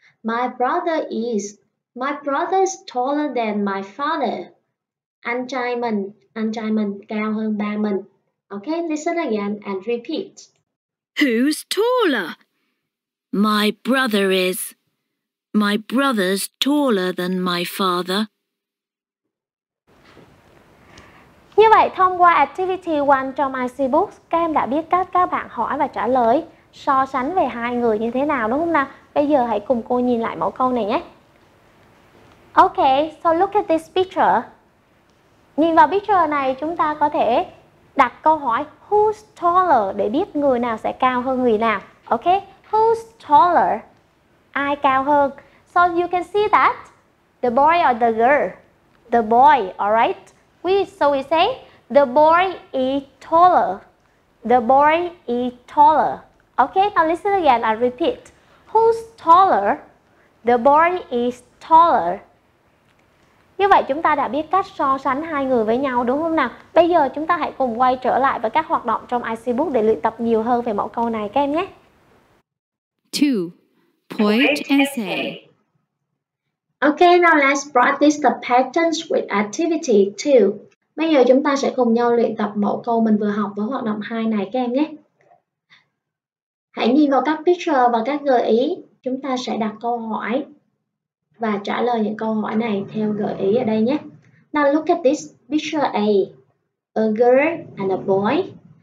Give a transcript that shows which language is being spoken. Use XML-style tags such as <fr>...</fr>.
<en>My brother is. My brother's taller than my father.</en> <vi>anh trai mình cao hơn ba mình.</vi> <en>Okay, listen again and repeat. Who's taller? My brother is. My brother's taller than my father.</en> <vi>Như vậy, thông qua activity 1 trong IC Books, các em đã biết cách các bạn hỏi và trả lời so sánh về hai người như thế nào đúng không nào? Bây giờ hãy cùng cô nhìn lại mẫu câu này nhé.</vi> <en>Okay, so look at this picture.</en> <vi>Nhìn vào picture này, chúng ta có thể đặt câu hỏi</vi> <en>who's taller</en> <vi>để biết người nào sẽ cao hơn người nào.</vi> <en>Okay, who's taller?</en> <vi>Ai cao hơn?</vi> <en>So you can see that the boy or the girl? The boy, alright? So we say the boy is taller. The boy is taller. Okay, now listen again, I repeat. Who's taller? The boy is taller.</en> <vi>Như vậy chúng ta đã biết cách so sánh hai người với nhau đúng không nào? Bây giờ chúng ta hãy cùng quay trở lại với các hoạt động trong IC Book để luyện tập nhiều hơn về mẫu câu này các em nhé.</vi> <en>2. Point essay. Okay, now let's practice the patterns with activity 2.</en> <vi>Bây giờ chúng ta sẽ cùng nhau luyện tập mẫu câu mình vừa học với hoạt động 2 này các em nhé. Hãy nhìn vào các picture và các gợi ý. Chúng ta sẽ đặt câu hỏi và trả lời những câu hỏi này theo gợi ý ở đây nhé.</vi> <en>Now look at this picture A. A girl and a boy.</en>